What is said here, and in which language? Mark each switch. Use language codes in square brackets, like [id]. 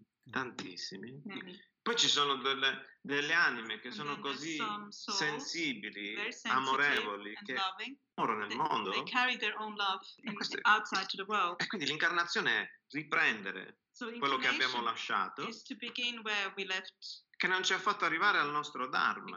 [it] Tantissimi. Poi ci sono delle anime che sono così sensibili, amorevoli, che muoiono nel mondo. [en] They carry their own love outside to the world. [it] E quindi l'incarnazione è riprendere quello che abbiamo lasciato, [en] is to begin where we left, [it] che non ci ha fatto arrivare al nostro dharma,